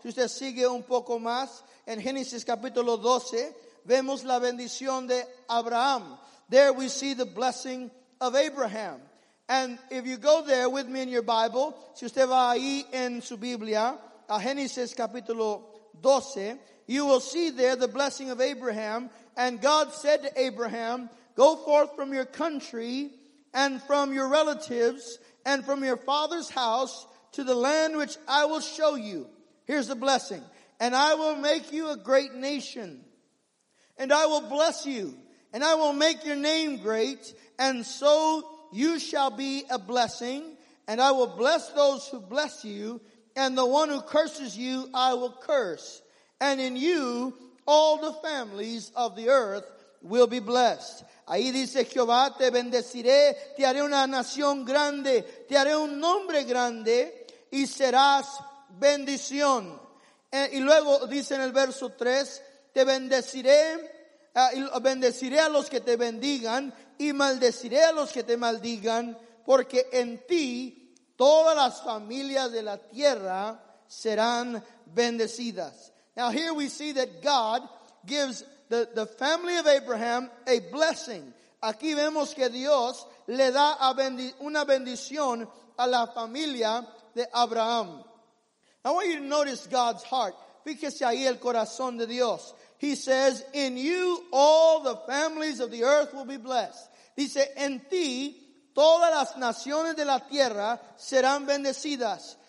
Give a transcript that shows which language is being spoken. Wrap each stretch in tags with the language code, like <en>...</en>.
<es>Si usted sigue un poco más, en Génesis capítulo 12, vemos la bendición de Abraham.</es> <en>There we see the blessing of Abraham. And if you go there with me in your Bible,</en> <es>si usted va ahí en su Biblia,</es> <en>a Génesis capítulo 12, you will see there the blessing of Abraham. And God said to Abraham, go forth from your country and from your relatives and from your father's house to the land which I will show you. Here's the blessing. And I will make you a great nation. And I will bless you. And I will make your name great. And so you shall be a blessing. And I will bless those who bless you. And the one who curses you, I will curse. And in you, all the families of the earth will be blessed.</en> <es>Ahí dice Jehová, te bendeciré, te haré una nación grande, te haré un nombre grande, y serás bendición. Y luego dice en el verso 3, te bendeciré, bendeciré a los que te bendigan, y maldeciré a los que te maldigan, porque en ti todas las familias de la tierra serán bendecidas.</es> <en>Now here we see that God gives the family of Abraham a blessing.</en> <es>Aquí vemos que Dios le da una bendición a la familia de Abraham.</es> <en>I want you to notice God's heart.</en> <es>Fíjese ahí el corazón de Dios.</es> <en>He says, in you all the families of the earth will be blessed.</en> <es>Dice, en ti todas las naciones de la tierra serán bendecidas.</es>